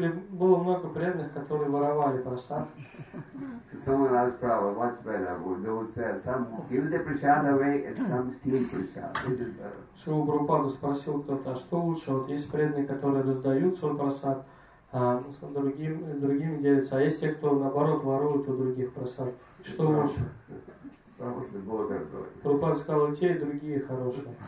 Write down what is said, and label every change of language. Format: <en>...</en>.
<ru>Было много преданных, которые воровали прасад.</ru> <en>So someone asked Prabhupada, what's better? Those some give the prasad away and some steal prasad.</en> <ru>Шрила Прабхупада спросил кто-то, а что лучше? Вот есть преданные, которые раздают свой прасад. Другим делятся. А есть те, кто наоборот воруют у других просад. Что лучше? Прабхупада сказал, и те, и другие хорошие.</ru>